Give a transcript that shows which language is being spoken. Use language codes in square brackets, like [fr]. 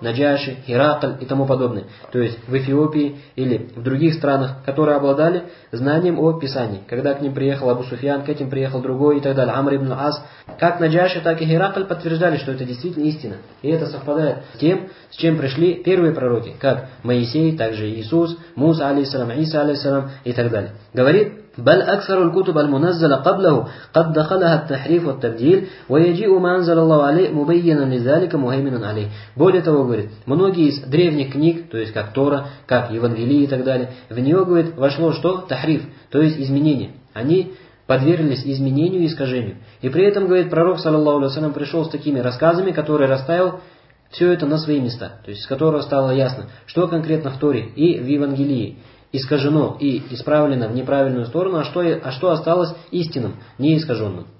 [ru] Наджаши, Хиракль и тому подобное. То есть, в Эфиопии или в других странах, которые обладали знанием о Писании. Когда к ним приехал Абу Суфьян, к этим приехал другой и так далее, Амр ибн Ас. Как Наджаши, так и Хиракль подтверждали, что это действительно истина. И это совпадает с тем, с чем пришли первые пророки, как Моисей, также Иисус, Муса, алейхиссалям, Иса, алейхиссалям и так далее. Говорит, [ar] بل أكثر الكتب المنزلة قبله قد دخلها التحريف والتبديل ويجيء ما أنزل الله عليه مبينا لذلك مهيمنا عليه. [ru] Более того, говорит, многие из древних книг, то есть как Тора, как Евангелие и так далее, в нее, говорит, вошло что? Тахриф, то есть изменение. Они подверглись изменению и искажению. И при этом, говорит, пророк, саллаллаху алейхи ва саллям, пришел с такими рассказами, которые расставил все это на свои места, то есть с которого стало ясно, что конкретно в Торе и в Евангелии искажено и исправлено в неправильную сторону, а что осталось истинным, неискаженным.